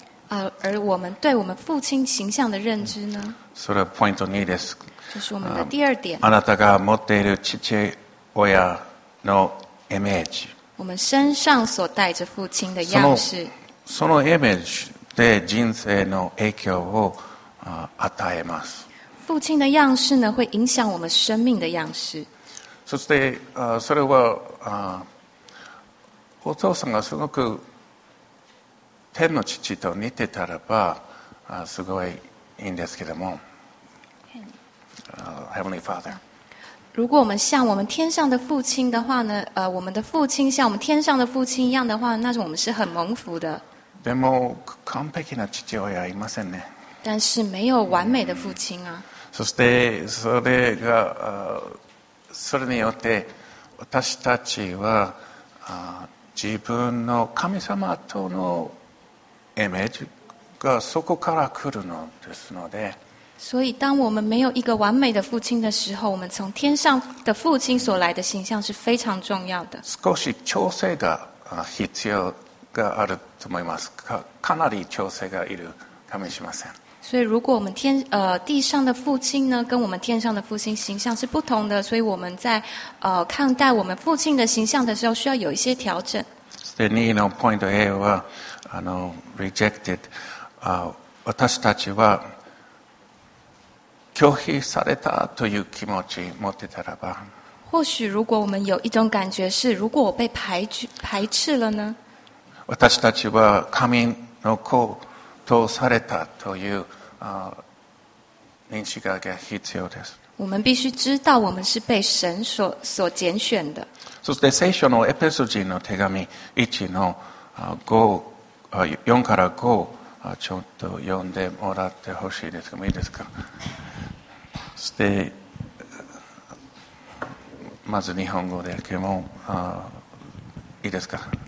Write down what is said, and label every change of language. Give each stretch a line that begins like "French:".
Chinese: 而我们对我们父亲形象的认知呢？
Japanese: それはポイント2です。
Chinese: 就是我们的第二点。
Japanese: あなたが持っている父親のイメージ。
Chinese: 我们身上所带着父亲的样式。
Japanese: そのイメージで人生の影響を。与えます。
Chinese: 父亲的样式呢，会影响我们生命的样式。
Japanese: そして、それは、お父さんがすごく天の父と似てたらば、すごいいいんですけども。
English: Heavenly Father。
Chinese: 如果我们像我们天上的父亲的话呢，我们的父亲像我们天上的父亲一样的话，那我们是很蒙福的。
Japanese: でも完璧な父親はいませんね。
Chinese: 但是没有完美的父亲啊。
Japanese: そしてそれがそれによって私たちは自分の神様とのイメージがそこから来るのですので。
Chinese: 所以当我们没有一个完美的父亲的时候，我们从天上的父亲所来的形象是非常重要的。
Japanese: 少し調整が必要があると思います。かなり調整がいるかもしれません。
Chinese: 所以，如果我们天地上的父亲呢，跟我们天上的父亲形象是不同的，所以我们在看待我们父亲的形象的时候，需要有一些调整。
Japanese: 第二のポイント A は、あの rejected、私たちは拒否されたという気持ち持ってたらば。
Chinese: 或许，如果我们有一种感觉是，如果我被排斥了呢？
Japanese: 私たちは神の子。通されたという認識が必要です。
Chinese: 我们必须知道，我们是被神所拣选的。
Japanese: そして聖書のエペソ人の手紙1の4から5ちょっと読んでもらってほしいですけど、いいですか。そしてまず日本語でけども、いいですか。